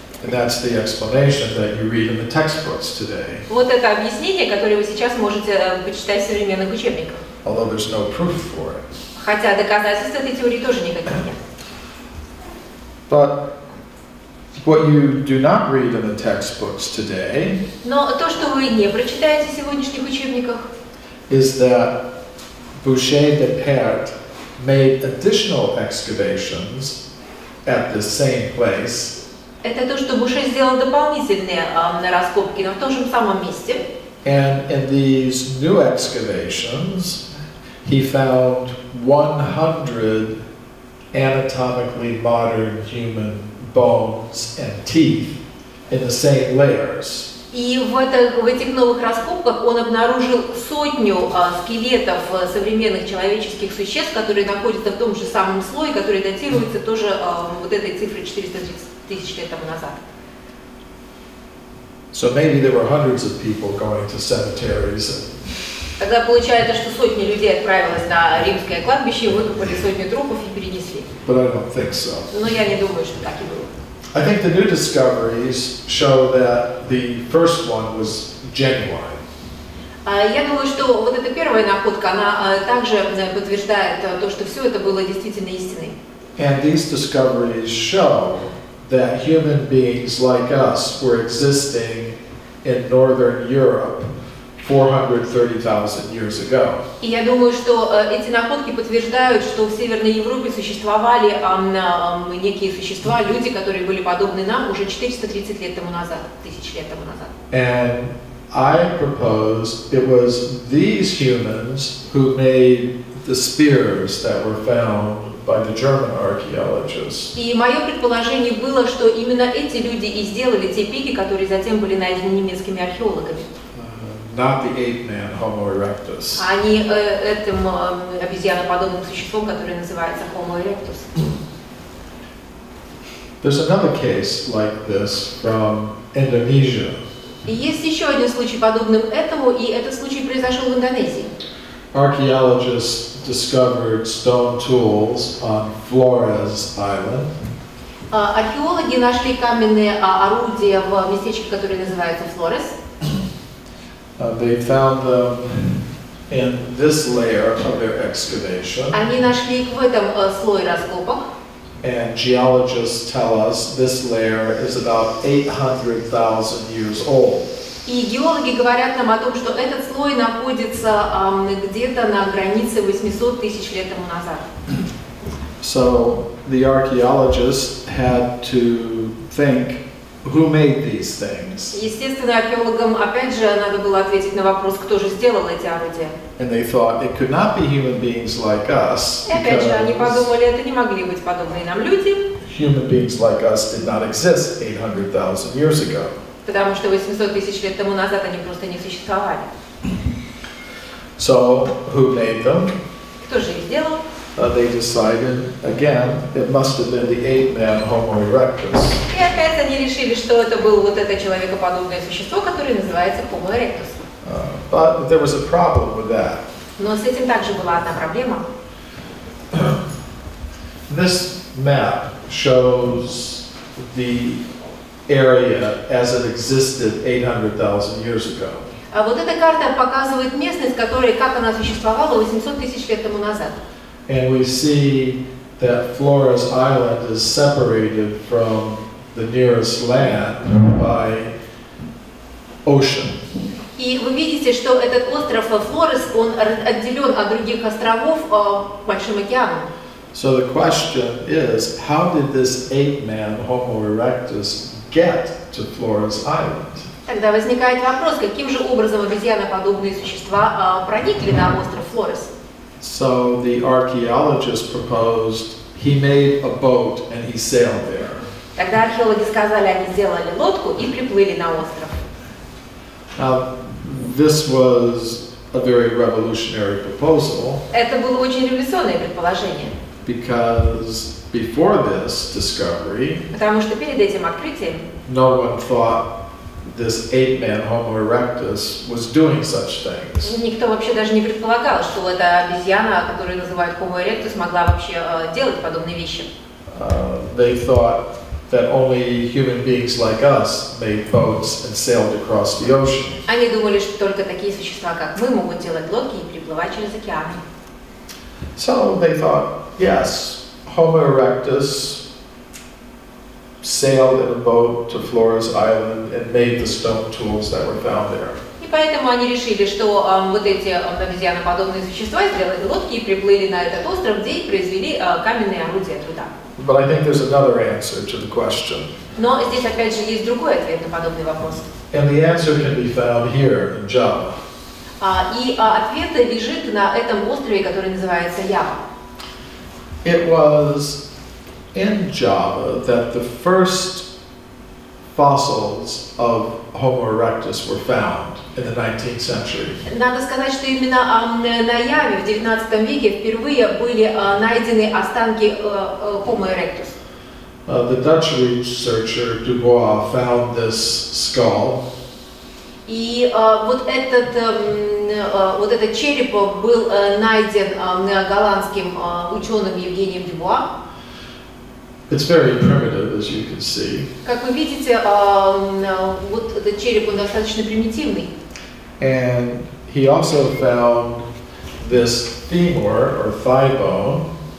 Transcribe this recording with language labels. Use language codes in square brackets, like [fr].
[en] And that's the explanation that you read in the textbooks today. [ru] Вот это объяснение, которое вы сейчас можете почитать в современных учебниках. [en] Although there's no proof for it. [ru] Хотя доказательств этой теории тоже никаких нет. [en] But what you do not read in the textbooks today. [ru] Но то, что вы не прочитаете в сегодняшних учебниках. [en] Is that Буше de Pere made additional excavations at the same place. [ru] Это то, что Буше сделал дополнительные раскопки, но в том же самом месте. [en] And in these new excavations, he found 100 anatomically modern human bones and teeth in the same layers. [ru] И в этих новых раскопках он обнаружил сотню скелетов современных человеческих существ, которые находятся в том же самом слое, который датируется тоже вот этой цифрой 430 тысяч лет тому назад. [en] So maybe there were hundreds of people going to cemeteries. [ru] Тогда получается, что сотни людей отправилось на римское кладбище, выкопали сотню трупов и перенесли. [en] But I don't think so. [ru] Но я не думаю, что так и было. [en] I think the new discoveries show that the first one was genuine. [ru] Я думаю, что вот эта первая находка, она также подтверждает то, что все это было действительно истиной. [en] And these discoveries show that human beings like us were existing in Northern Europe 430,000 years ago. [ru] И я думаю, что эти находки подтверждают, что в Северной Европе существовали некие существа, люди, которые были подобны нам уже 430 лет тому назад, тысяч лет тому назад. [en] And I propose it was these humans who made the spears that were found by the German archaeologists. [ru] И мое предположение было, что именно эти люди и сделали те пики, которые затем были найдены немецкими археологами. [en] Not the ape man Homo erectus. [ru] Они этим обезьяноподобным существом, которое называется Homo erectus. [en] There's another case like this from Indonesia. [ru] Есть еще один случай подобным этому, и этот случай произошел в Индонезии. [en] Archaeologists discovered stone tools on Flores Island. [ru] Археологи нашли каменные орудия в местечке, которое называется Флорес. [en] They found them in this layer of their excavation. [ru] Они нашли их в этом слое раскопок. [en] And geologists tell us this layer is about 800,000 years old. [ru] И геологи говорят нам о том, что этот слой находится где-то на границе 800 тысяч лет тому назад. [en] So the archaeologists had to think, who made these things? [ru] Естественно, археологам опять же надо было ответить на вопрос, кто же сделал эти орудия. [en] And they thought it could not be human beings like us. [ru] И опять же, они подумали, это не могли быть подобные нам люди. [en] Human beings like us did not exist 800,000 years ago. [ru] Потому что 800 тысяч лет тому назад они просто не существовали. [en] So, who made them? [ru] Кто же их сделал? [en] They decided, again, it must have been the ape man Homo erectus. [ru] И опять они решили, что это было вот это человекоподобное существо, которое называется Homo erectus. [en] But there was a problem with that. [ru] Но с этим также была одна проблема. [en] This map shows the area as it existed 800,000 years ago. [ru] А вот эта карта показывает местность, которая как она существовала 800 тысяч лет тому назад. [en] And we see that Flores Island is separated from the nearest land by ocean. [ru] И вы видите, что этот остров Флорес, он отделен от других островов большим океаном. [en] So the question is, how did this ape man Homo erectus get to Flores Island? [ru] Тогда возникает вопрос, каким же образом обезьяноподобные существа проникли на остров Флорес? [en] So the archaeologist proposed he made a boat and he sailed there. [ru] Тогда археологи сказали, они сделали лодку и приплыли на остров. [en] Now, this was a very revolutionary proposal. [ru] Это было очень революционное предположение. [en] Because before this discovery, [ru] потому что перед этим открытием, [en] no one thought this ape-man Homo erectus was doing such things. [ru] Никто вообще даже не предполагал, что эта обезьяна, которую называют Homo erectus, могла вообще делать подобные вещи. [en] They thought that only human beings like us made boats and sailed across the ocean. [ru] Они думали, что только такие существа, как мы, могут делать лодки и переплывать через океаны. [en] So they thought, yes, Homo erectus sailed in a boat to Flores Island and made the stone tools that were found there. [ru] И поэтому они решили, что вот эти обезьяноподобные существа сделали лодки и приплыли на этот остров, где и произвели каменные орудия труда. [en] But I think there's another answer to the question. [ru] Но здесь опять же есть другой ответ на подобный вопрос. [en] And the answer can be found here in Java. [ru] Ответ лежит на этом острове, который называется Ява. [en] It was in Java that the first fossils of Homo erectus were found in the 19th century. [ru] Надо сказать, что именно на Яве в 19 веке впервые были найдены останки Homo erectus. [en] The Dutch researcher Dubois found this skull. [ru] И вот этот череп был найден голландским ученым Евгением Дюбуа. [en] It's very primitive, as you can see. [ru] Как вы видите, вот этот череп он достаточно примитивный. [en] And he also found this femur or thigh bone.